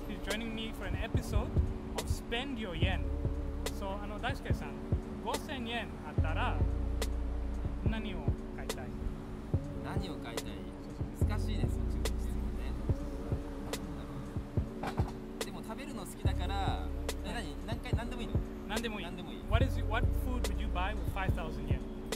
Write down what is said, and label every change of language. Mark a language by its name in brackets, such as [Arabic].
[English] He's joining me for an episode of Spend Your Yen. [Japanese] So,大輔さん、5000円あったら何を買いたい？何を買いたい？難しいです、中国人もね。でも食べるの好きだから、何回何でもいいの？何でもいい。何でもいい。 [English] What is it, what food would you buy with 5,000 yen?